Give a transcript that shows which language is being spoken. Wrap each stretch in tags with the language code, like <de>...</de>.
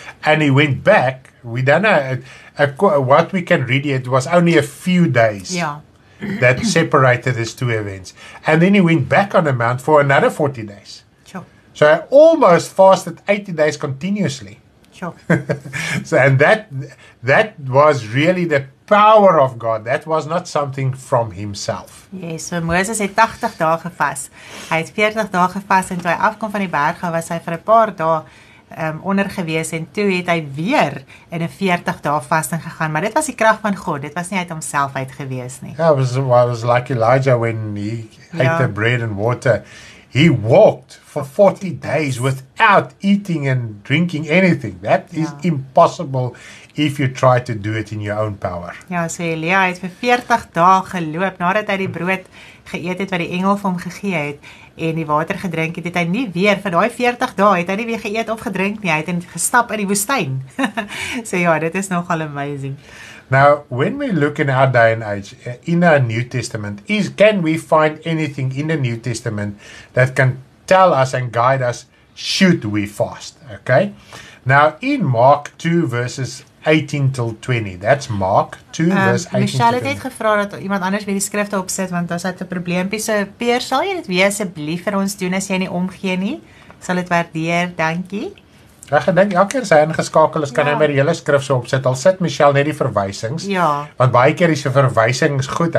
<en>And he went back. We don't know. What we can read here, it was only a few days that separated these two events. And then he went back on the mount for another 40 days. Sure. So I almost fasted 80 days continuously. Sure. So, and that was really the power of God. That was not something from himself.</en> <af>Yes, so Moses het 80 dae gevas. Hy het 40 dae gevas en toe hy afkom van die berg, was hy vir 'n paar dae onder gewees en toe het hy weer in 'n 40 dae vasting gegaan, maar dit was die krag van God. Dit was nie uit homself uit gewees nie.</af> <en>Yeah, it was like Elijah when he ate the bread and water. He walked for 40 days without eating and drinking anything. That is impossible if you try to do it in your own power.</en> <af>Ja, so Elia het vir 40 dae geloop nadat hy die brood geëet het wat die engel vir hom gegee het en die water gedrink het, het hy nie weer vir daai 40 dae het hy nie weer geëet of gedrink nie. Hy het gestap in die woestyn. So ja, dit is nogal amazing.</af> <en>Now, when we look in our day and age, in our New Testament, can we find anything in the New Testament that can tell us and guide us, should we fast? Okay? Now, in Mark 2, verses 18 till 20, that's Mark 2, verse 18</en> <af>Michelle het gevra dat iemand anders weer die skrifte opzet, want dat is het een probleempie. So, Peer, sal jy dit weer asseblief vir ons doen as jy nie omgee nie? Sal het waardeer, dankie. Ek dink elke keer sy ingeskakel is, kan hy met die hele skrif so opsit. Al sit Michelle net die verwysings. Ja. Want baie keer is die verwysings goed.</af>